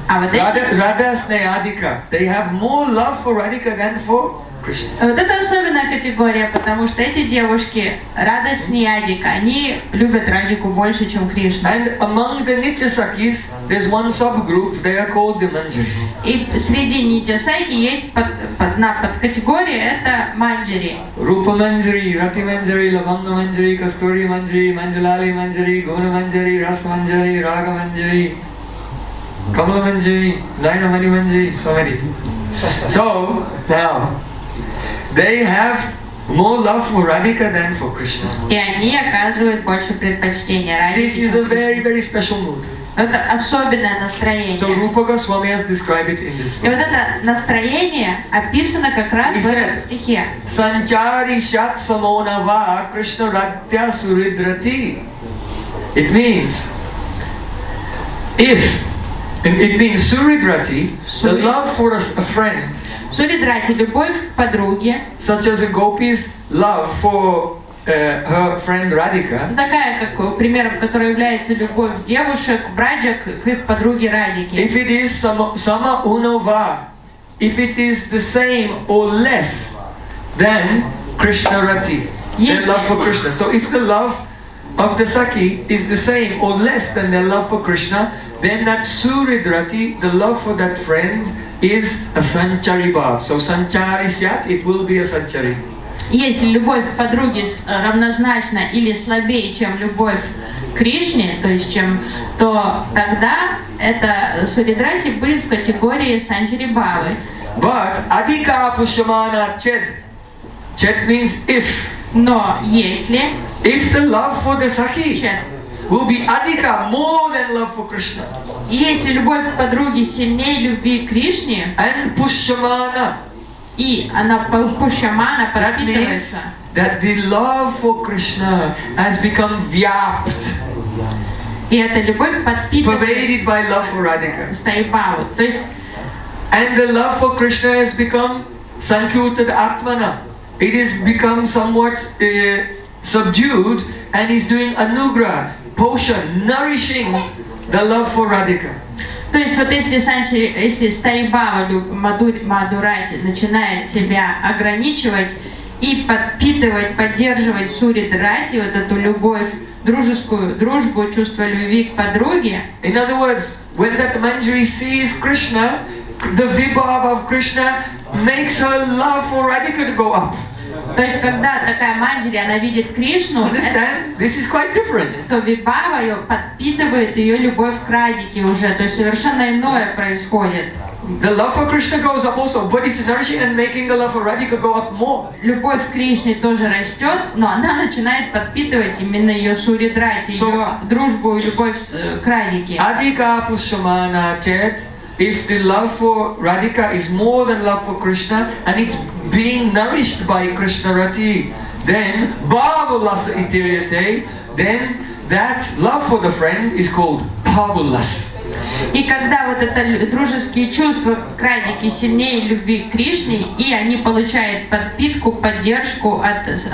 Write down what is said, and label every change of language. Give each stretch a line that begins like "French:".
English: Radha Sneha Adika. They have more love for Radhika than for
Russian: Вот это особенная категория, потому что эти девушки радость не Адика, они любят Радику больше, чем Кришну.
English: And among the Nityasakis, there's one subgroup, they are called the Manjaris.
Russian: И среди Нитясаки есть подкатегория, это Манджари. Рупа Манджари, Рати Манджари, Лаванда Манджари, Кастури Манджари, Манджалали Манджари, Гуна Манджари, Рас Манджари, Рага Манджари, Камала Манджари, Дайна Мани Манджари,
English: so many. So, now, they have more love for Radhika than for Krishna.
Russian: И они оказывают больше предпочтения Радхе.
English: This is a very, very special mood.
Russian: Это особенное настроение.
English: So Rupa Goswami has described it in this book.
Russian: И вот это настроение описано как раз в этом стихе.
Sanskrit: Sanchari shat samonava Krishna ratya suridrati.
English: It means if and it means suridrati, the love for a friend.
Russian: Суридрати, любовь к подруге.
English: Such as a gopi's love for her friend Radhika.
Russian: Такая как примером, который является любовь девушек, Браджак к их подруге Радике.
English: If it is sama unova, if it is the same or less than Krishna Rati, their love for Krishna. So if the love of the Sakhi is the same or less than their love for Krishna, then that Suridrati, the love for that friend, is a Sanchari Bhav. So Sanchari Syat, it will be a Sanchari.
Russian: Если любовь к подруге равнозначна или слабее, чем любовь к Кришне, то есть чем, то тогда это Суридрати будет в категории Sanchari Bhavы.
English: But Adhika Pushyamana Chet. Chet means if.
Russian: Но если
English: if the love for the Sakhi will be adhika, more than love for Krishna.
Russian: Если любовь к подруге сильнее любви к Кришне,
English: and pushyamana,
Russian: и она pushyamana пропитывается,
English: that means that the love for Krishna has become vyapt.
Russian: И эта любовь подпитывается,
English: pervaded by love for Radhika.
Russian: Стаибава. То есть
English: and the love for Krishna has become sankirtad atmana. It has become somewhat subdued, and he's doing anugra, potion, nourishing the love for Radhika.
Russian: То есть вот если Санчари, если Стайбава Мадурати начинает себя ограничивать и подпитывать, поддерживать Суридрати, вот эту любовь, дружескую дружбу, чувство любви к подруге.
English: In other words, when that Manjari sees Krishna, the vibhava of Krishna makes her love for Radhika to go up.
Russian: То есть когда такая манджари, она видит Кришну,
English: this is quite different.
Russian: То вибава ее подпитывает ее любовь к Радике уже, то есть совершенно иное происходит.
English: The love for Krishna goes up also, but it's nourishing and making the love for Radhika go up more.
Russian: Любовь к Кришне тоже растет, но она начинает подпитывать именно ее Суридрати, ее дружбу и любовь к Радике.
Sanskrit: Адика пушмана чет.
English: If the love for Radhika is more than love for Krishna and it's being nourished by Krishna Rati, then Bhavulasa Itiriyate, then that love for the friend is called Bhavulas.
Russian: И когда вот это дружеские чувства к Радике сильнее любви к Кришне, и они получают подпитку, поддержку от